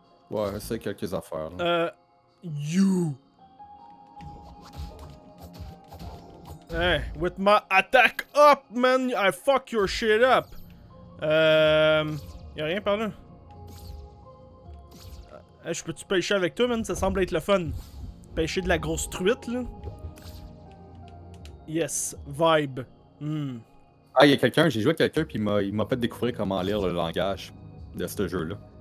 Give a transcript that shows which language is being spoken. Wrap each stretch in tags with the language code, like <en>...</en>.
<fr>Ouais, essaye quelques affaires, là.</fr> <en>You. Hey, with my attack up, man, I fuck your shit up.</en> <fr>Y'a rien par là. Hey, je peux-tu pêcher avec toi, man? Ça semble être le fun. Pêcher de la grosse truite, là.</fr> <en>Yes, vibe.</en> <fr>Ah, il y a quelqu'un, j'ai joué avec quelqu'un, puis il m'a fait découvrir comment lire le langage de ce jeu-là.</fr>